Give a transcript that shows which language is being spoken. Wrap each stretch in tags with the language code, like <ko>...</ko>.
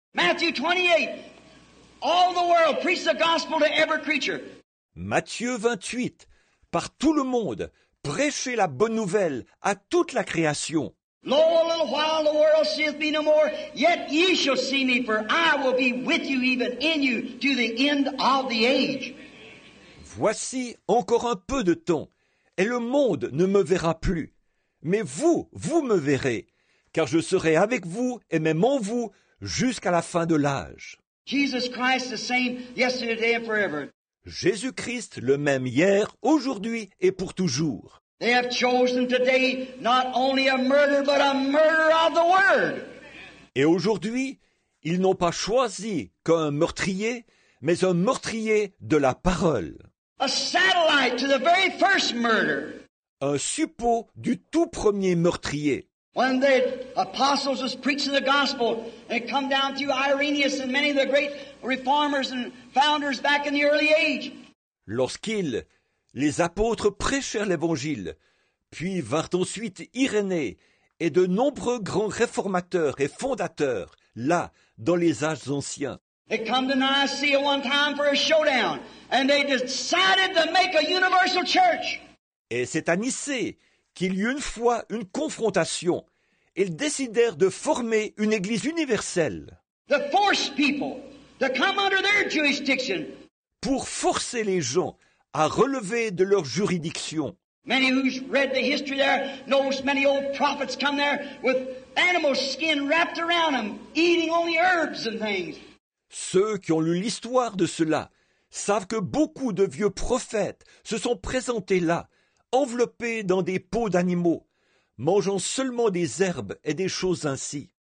<en>Matthew 28. All the world preach the gospel to every creature.</en> <fr>Matthieu 28. Par tout le monde, prêchez la bonne nouvelle à toute la création.</fr> <en>Lo, a little while the world seeth me no more, yet ye shall see me, for I will be with you even in you to the end of the age.</en> <fr>Voici encore un peu de temps, et le monde ne me verra plus. Mais vous, vous me verrez, car je serai avec vous et même en vous jusqu'à la fin de l'âge.</fr> <en>Jesus Christ the same yesterday and forever.</en> <fr>Jésus-Christ le même hier, aujourd'hui et pour toujours.</fr> <en>They have chosen today not only a murder but a murder of the word.</en> <fr>Et aujourd'hui, ils n'ont pas choisi qu'un meurtrier, mais un meurtrier de la parole.</fr> <en>A satellite to the very first murder.</en> <fr>Un suppôt du tout premier meurtrier.</fr> <en>When the apostles was preaching the gospel, they come down to Irenaeus and many of the great reformers and founders back in the early age.</en> <fr>Lorsqu'ils, les apôtres prêchèrent l'évangile, puis vinrent ensuite Irénée et de nombreux grands réformateurs et fondateurs, là, dans les âges anciens.</fr> <en>They come to Nicaea one time for a showdown, and they decided to make a universal church.</en> <fr>Et c'est à Nicée qu'il y eut une fois une confrontation. Ils décidèrent de former une église universelle.</fr> <en>to force people to come under their jurisdiction.</en> <fr>Pour forcer les gens à relever de leur juridiction.</fr> <en>Many who's read the history there knows many old prophets come there with animal skin wrapped around them, eating only herbs and things.</en> <fr>Ceux qui ont lu l'histoire de cela savent que beaucoup de vieux prophètes se sont présentés là, enveloppés dans des peaux d'animaux, mangeant seulement des herbes et des choses ainsi.</fr>